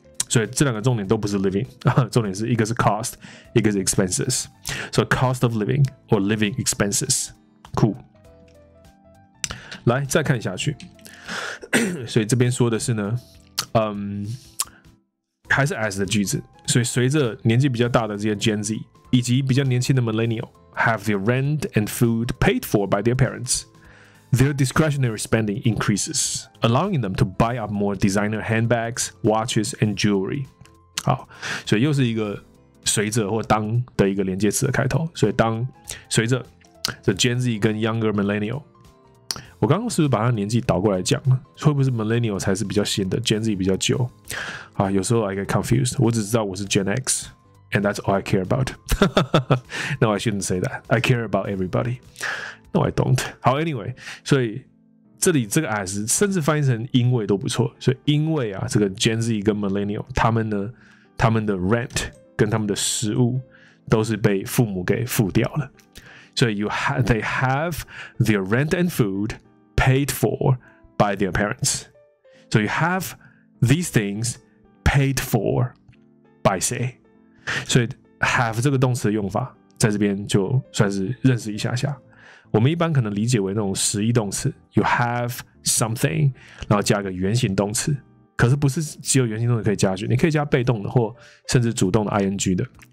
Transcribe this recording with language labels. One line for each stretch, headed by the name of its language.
Chinese: 所以这两个重点都不是 living， 重点是一个是 cost， 一个是 expenses。
English: So cost of living or living expenses， cool。
Chinese: 来再看下去。所以这边说的是呢，还是 as 的句子。所以随着年纪比较大的这些
English: Gen Z
Chinese: 以及比较年轻的
English: Millennial have their rent and food paid for by their parentsTheir discretionary spending increases, allowing them to buy up more designer handbags, watches, and jewelry.
Chinese: 好，所以又是一个随着或当的一个连接词的开头。所以当随着 the Gen Z 跟 Younger Millennial， 我刚刚是不是把他年纪倒过来讲了？会不会是 Millennial 才是比较新的 ，Gen Z 比较旧？啊，有时候
English: I get confused.
Chinese: 我只知道我是
English: Gen X。And that's all I care about. No, I shouldn't say that. I care about everybody. No, I don't.
Chinese: 好 ，Anyway， 所以这里这个 as 甚至翻译成因为都不错。所以因为啊，这个 Gen Z 跟 Millennial 他们呢，他们的 rent 跟他们的食物都是被父母给付掉了。所以
English: they have their rent and food paid for by their parents. So you have these things paid for by say.
Chinese: 所以 have 这个动词的用法在这边就算是认识一下下。我们一般可能理解为那种实义动词
English: you have something，
Chinese: 然后加一个原形动词。可是不是只有原形动词可以加去，你可以加被动的或甚至主动的 ing 的。